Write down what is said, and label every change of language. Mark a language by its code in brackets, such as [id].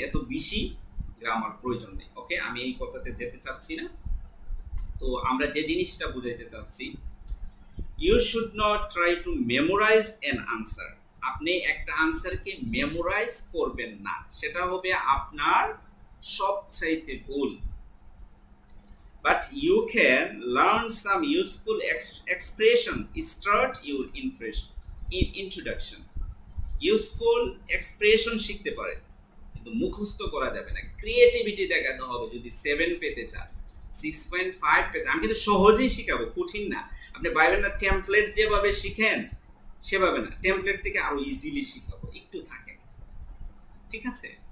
[bn] এত বেশি গ্রামার প্রয়োজন নেই। ওকে, আমি এই কথাতে যেতে চাচ্ছি না। তো আমরা যে জিনিসটা বুঝাইতে চাচ্ছি, [en] you should not try to memorise an answer, [bn] আপনি একটা আনসারকে মেমোরাইজ করবেন না, সেটা হবে আপনার সবচাইতে ভুল। [en] But you can learn some useful expression, start your introduction. Useful expression [bn] শিখতে পারেন, কিন্তু মুখস্থ করা যাবে না। ক্রিয়েটিভিটি দেখাতে হবে, যদি 7 পেতে চান, 6.5 পেতে, আমি কিন্তু সহজেই শিখাবো, কঠিন না। আপনি বাইবেল না টেমপ্লেট যেভাবে শিখেন সেভাবে না, টেমপ্লেট থেকে আরও ইজিলি শিখাবো, একটু থাকেন, ঠিক আছে?